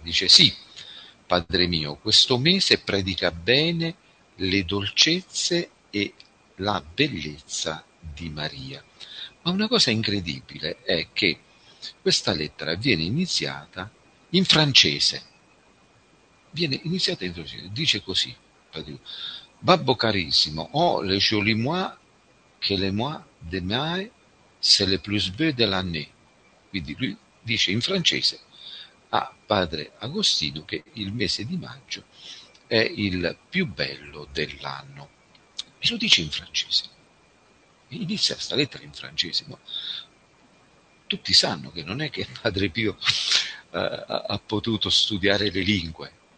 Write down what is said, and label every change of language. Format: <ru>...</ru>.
<it>Dice: sì, Padre mio, questo mese predica bene le dolcezze e la bellezza di Maria. Ma una cosa incredibile è che questa lettera viene iniziata in francese. Viene iniziata in francese. Dice così: Padre mio, Babbo carissimo,</it> <fr>oh, le jolie mois que les mois de mai, c'est le plus beau de l'année.</fr> <it>Quindi lui dice in francese a Padre Agostino che il mese di maggio è il più bello dell'anno. E lo dice in francese. Inizia questa lettera in francese, ma tutti sanno che non è che Padre Pio ha potuto studiare le lingue.</it>